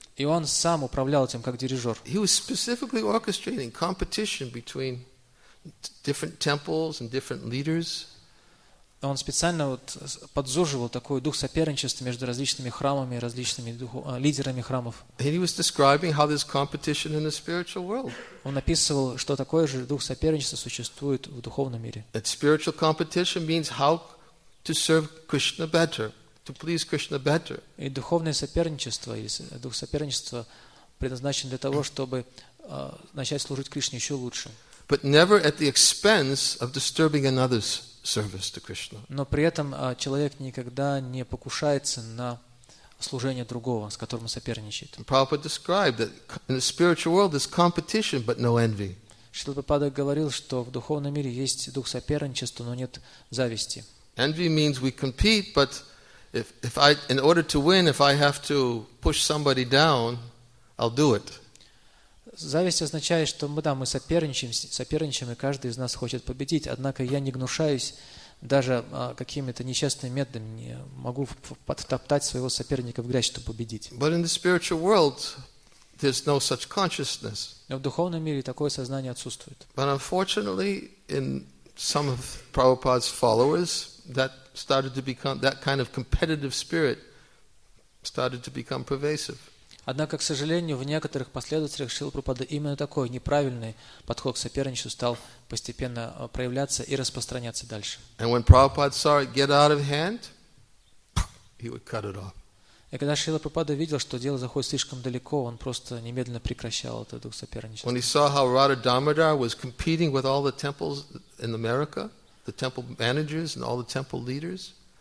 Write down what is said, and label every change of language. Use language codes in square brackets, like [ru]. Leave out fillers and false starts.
[ru] И он сам управлял этим как дирижер. [en] He was specifically orchestrating competition between different temples and different leaders. [ru] Он специально вот подзуживал такой дух соперничества между различными храмами и различными лидерами храмов. [en] And he was describing how this competition in the spiritual world. [ru] Он описывал, что такое же дух соперничества существует в духовном мире. [en] That spiritual competition means how to serve Krishna better, to please Krishna better. [ru] И духовное соперничество, и дух соперничества предназначен для того, чтобы начать служить Кришне еще лучше. [en] But never at the expense of disturbing another's service to Krishna. [ru] Но при этом человек никогда не покушается на служение другого, с которым соперничает. [en] Prabhupada described that in the spiritual world there's competition, but no envy. [ru] Шрила Прабхупада говорил, что в духовном мире есть дух соперничества, но нет зависти. [en] Envy means we compete, but if I, in order to win, if I have to push somebody down, I'll do it. [ru] Зависть означает, что мы, да, мы соперничаем, и каждый из нас хочет победить. Однако я не гнушаюсь даже какими-то нечестными методами, не могу подтоптать своего соперника в грязь, чтобы победить. [en] But in the spiritual world, there's no such consciousness. [ru] Но в духовном мире такое сознание отсутствует. [en] But unfortunately, in some of Prabhupada's followers, that started to become, that kind of competitive spirit started to become pervasive. [ru] Однако, к сожалению, в некоторых последователях Шрилы Прабхупады именно такой неправильный подход к соперничеству стал постепенно проявляться и распространяться дальше. [en] And when Prabhupada saw it get out of hand, he would cut it off. [ru] И когда Шрила Прабхупада видел, что дело заходит слишком далеко, он просто немедленно прекращал этот дух соперничества. [en] When he saw how Radha Damodar was competing with all the temples in America, the temple managers and all the temple leaders.